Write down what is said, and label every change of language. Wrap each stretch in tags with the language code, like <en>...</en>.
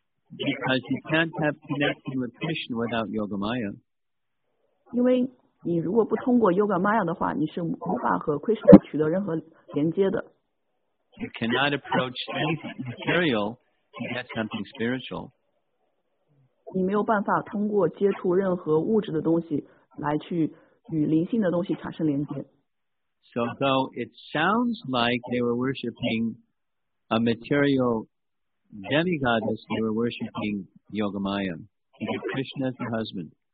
<en>Because you can't have connection with Krishna without Yogamaya.</en> <zh>因为你如果不通过 Yoga Maya 的话，你是无法和 Krishna 取得任何连接的。</zh> <en>You cannot approach anything material to get something spiritual.</en> <zh>你没有办法通过接触任何物质的东西来去与灵性的东西产生连接。</zh> <en>So though it sounds like they were worshipping a material demigoddess, they were worshipping Yoga Maya, Krishna as the husband.</en>